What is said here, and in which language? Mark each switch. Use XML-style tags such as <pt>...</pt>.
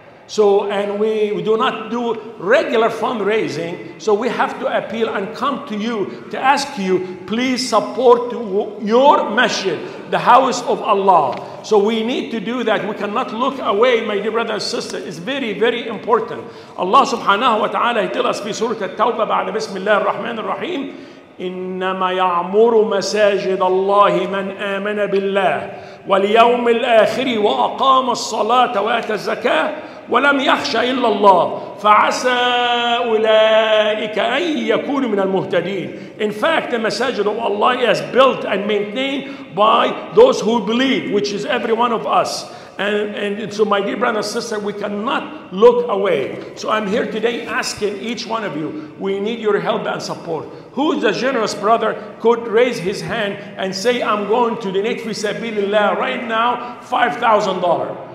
<en>So, and we do not do regular fundraising. So we have to appeal and come to you to ask you, please support your masjid, the house of Allah. So we need to do that. We cannot look away, my dear brother and sister. It's very, very important. Allah subhanahu wa ta'ala tell us in Surah At-Tawbah, ba'da bismillah ar-Rahman ar-Rahim,</en> <ar>إِنَّمَا يَعْمُرُ مَسَاجِدَ اللَّهِ مَنْ آمَنَ بِاللَّهِ وَالْيَوْمِ الْآخِرِ وَأَقَامَ الصَّلَاةَ وَآتَ الزَّكَاةَ وَلَمْ يَخْشَ إِلَّا اللَّهِ فَعَسَى أُولَٰئِكَ أَن يَكُونُ مِنَ الْمُهْتَدِينَ.</ar> <en>In fact, the masajid of Allah is built and maintained by those who believe, which is every one of us. And so my dear brother and sister, we cannot look away. So I'm here today asking each one of you, we need your help and support. Who is a generous brother could raise his hand and say, "I'm going to donate fi sabilillah right now, $5,000.</en>